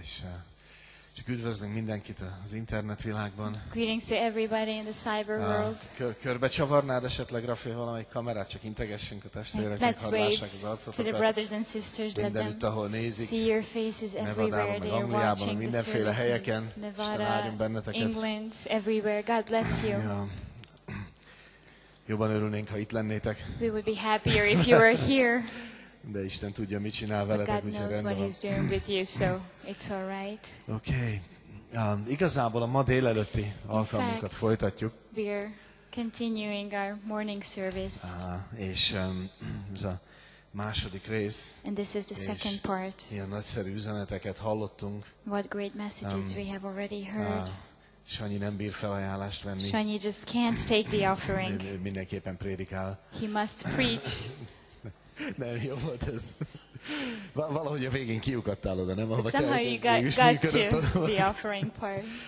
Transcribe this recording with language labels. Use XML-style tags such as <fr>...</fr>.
<hu>És csak üdvözlünk mindenkit az internet világban.</hu> <en>Greetings to everybody in the cyber world.</en> <hu>Körbe csavarnád esetleg, Rafi, valamelyik kamerát, csak integessünk a testvérek, hogy hallgassák az arcotokat.</hu> <en>To the brothers and sisters, let them</en> <hu>mindenütt, ahol nézik,</hu> <en>see your faces everywhere.</en> <hu>Nevadában, meg Angliában, mindenféle helyeken.</hu> <en>Nevada, England, everywhere. God bless you.</en> <hu>Ja. Jobban örülnénk, ha itt lennétek.</hu> <en>We would be happier if you were here.</en> <hu>De Isten tudja, mit csinál veletek, úgyhogy rendben.</hu> <en>But God knows what he's doing with you, so it's all right. Okay.</en> <hu>Igazából a ma délelőtti alkalmunkat folytatjuk.</hu> <en>We're continuing our morning service.</en> <hu>És ez a második rész.</hu> <en>And this is the second part.</en> <hu>Ilyen nagyszerű üzeneteket hallottunk.</hu> <en>What great messages we have already heard.</en> <hu>Sanyi nem bír felajánlást venni.</hu> <en>Sanyi just can't take the offering.</en> <hu>Mindenképpen prédikál.</hu> <en>He must preach.</en> <hu>Nem jó volt ez. Valahogy a végén kiukadtál oda, nem?</hu> <en>But somehow you got to the offering part.</en>